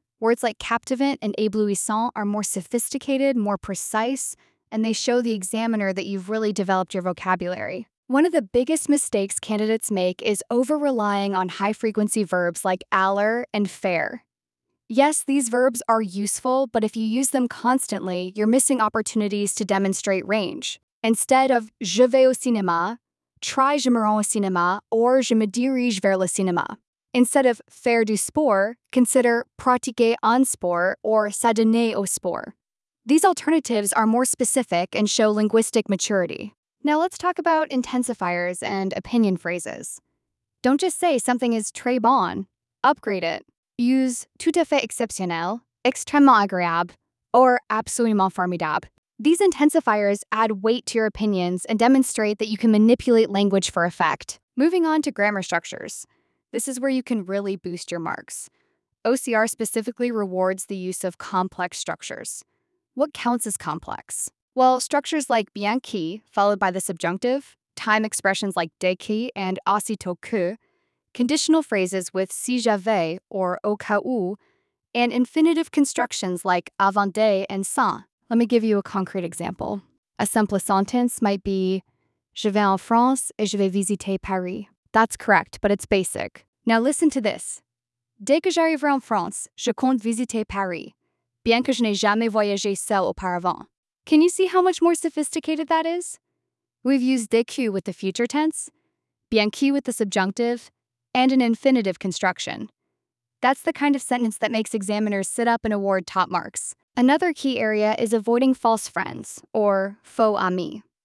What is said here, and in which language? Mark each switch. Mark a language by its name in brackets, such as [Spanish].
[English] Words like captivant and éblouissant are more sophisticated, more precise, and they show the examiner that you've really developed your vocabulary. One of the biggest mistakes candidates make is over-relying on high-frequency verbs like aller and faire. Yes, these verbs are useful, but if you use them constantly, you're missing opportunities to demonstrate range. Instead of [French] je vais au cinéma, [English] try [French] je me rends au cinéma [English] or [French] je me dirige vers le cinéma. [English] Instead of [French] faire du sport, [English] consider [French] pratiquer en sport [English] or [French] s'adonner au sport. [English] These alternatives are more specific and show linguistic maturity. Now let's talk about intensifiers and opinion phrases. Don't just say something is [French] très bon, [English] upgrade it. Use [French] tout à fait exceptionnel, extrêmement agréable, [English] or [French] absolument formidable. [English] These intensifiers add weight to your opinions and demonstrate that you can manipulate language for effect. Moving on to grammar structures. This is where you can really boost your marks. OCR specifically rewards the use of complex structures. What counts as complex? Well, structures like bien qui, followed by the subjunctive, time expressions like dès qui and aussitôt que, conditional phrases with [French] si j'avais [English] or [French] au cas où, [English] and infinitive constructions like avant de and sans. Let me give you a concrete example. A simple sentence might be, [French] je vais en France et je vais visiter Paris. [English] That's correct, but it's basic. Now listen to this. [French] Dès que j'arriverai en France, je compte visiter Paris, bien que je n'ai jamais voyagé seul auparavant. [English] Can you see how much more sophisticated that is? We've used dès que with the future tense, bien que with the subjunctive, and an infinitive construction. That's the kind of sentence that makes examiners sit up and award top marks. Another key area is avoiding false friends, or faux amis.